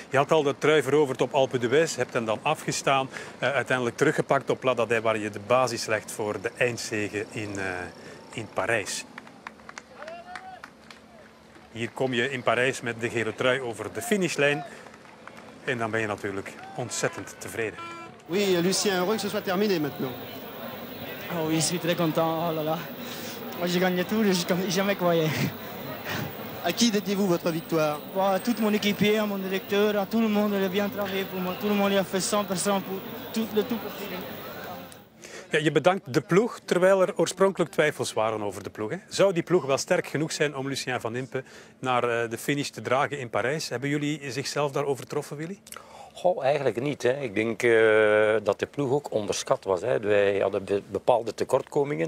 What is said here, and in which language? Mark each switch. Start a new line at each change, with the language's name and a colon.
Dutch: Je had al de trui veroverd op Alpe d'Huez, hebt hem dan afgestaan. Uiteindelijk teruggepakt op Plat d'Adet, waar je de basis legt voor de eindzege in Parijs. Hier kom je in Parijs met de gele trui over de finishlijn. En dan ben je natuurlijk ontzettend tevreden.
French: Oui, Lucien, heureux que ce soit terminé maintenant. Oh oui, je suis très content. Oh là là. Moi, j'ai gagné tout, je n'ai jamais croyé. À qui dédiez-vous votre victoire? Bon, à tout mon équipier, à mon directeur, à tout le monde, il a bien travaillé pour moi. Tout le monde a fait 100% pour tout le tout.
Dutch: Ja, je bedankt de ploeg, terwijl er oorspronkelijk twijfels waren over de ploeg. Hè. Zou die ploeg wel sterk genoeg zijn om Lucien Van Impe naar de finish te dragen in Parijs? Hebben jullie zichzelf daar overtroffen, Willy? Goh, eigenlijk niet. Hè. Ik denk dat de ploeg ook onderschat was. Hè. Wij hadden bepaalde tekortkomingen.